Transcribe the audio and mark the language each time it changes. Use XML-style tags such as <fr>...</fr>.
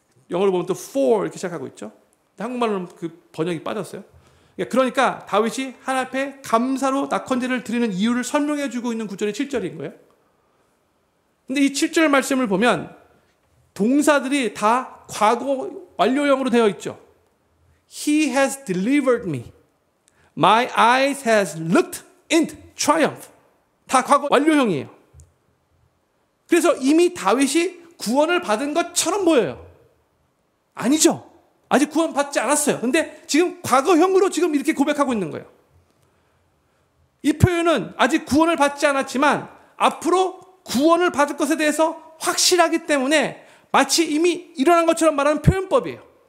<ko>영어로 보면 또 for 이렇게 시작하고 있죠. 한국말로는 그 번역이 빠졌어요. 그러니까 다윗이 하나님 앞에 감사로 낙원제를 드리는 이유를 설명해주고 있는 구절이 7절인 거예요. 그런데 이 7절 말씀을 보면 동사들이 다 과거 완료형으로 되어 있죠.</ko> <en>He has delivered me. My eyes has looked in triumph.</en> <ko>다 과거 완료형이에요. 그래서 이미 다윗이 구원을 받은 것처럼 보여요. 아니죠. 아직 구원 받지 않았어요. 그런데 지금 과거형으로 지금 이렇게 고백하고 있는 거예요. 이 표현은 아직 구원을 받지 않았지만 앞으로 구원을 받을 것에 대해서 확실하기 때문에 마치 이미 일어난 것처럼 말하는 표현법이에요.</ko>